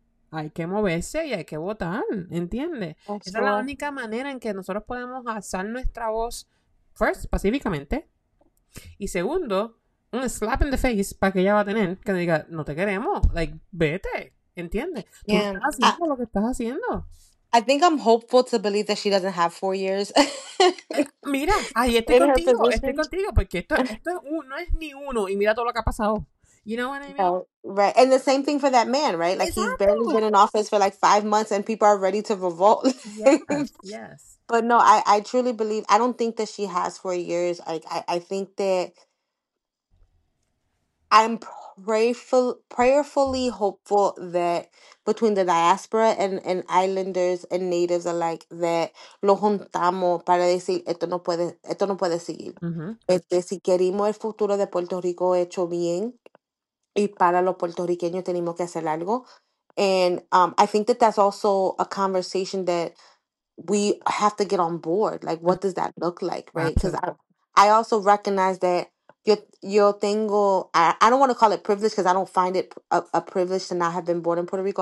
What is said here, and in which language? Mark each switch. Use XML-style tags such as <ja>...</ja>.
<es>Hay que moverse y hay que votar, ¿entiendes? Esa es la única manera en que nosotros podemos alzar nuestra voz, first, pacíficamente, y segundo, un</es> <en>slap in the face</en> <es>para que ella va a tener, que diga, no te queremos, like, vete, ¿entiendes? Yeah. Tú estás haciendo lo que estás haciendo.</es> <en>I think I'm hopeful to believe that she doesn't have 4 years.</en> <es>Mira, ahí estoy contigo, porque esto no es ni uno, y mira todo lo que ha pasado.</es> <en>You know what I mean? Oh, right. And the same thing for that man, right? Like, exactly. He's barely been in office for like 5 months and people are ready to revolt. Yes. But no, I truly believe, I don't think that she has 4 years. Like, I think that I'm prayerfully hopeful that between the diaspora and islanders and natives alike, that</en> <es>lo juntamos para decir esto no puede seguir. Mm-hmm. Si queremos el futuro de Puerto Rico hecho bien, y para los puertorriqueños tenemos que hacer algo.</es> <en>And I think that that's also a conversation that we have to get on board. Like, what does that look like, right? Because I also recognize that</en> <es>yo tengo,</es> <en>I don't want to call it privilege because I don't find it a privilege to not have been born in Puerto Rico.</en>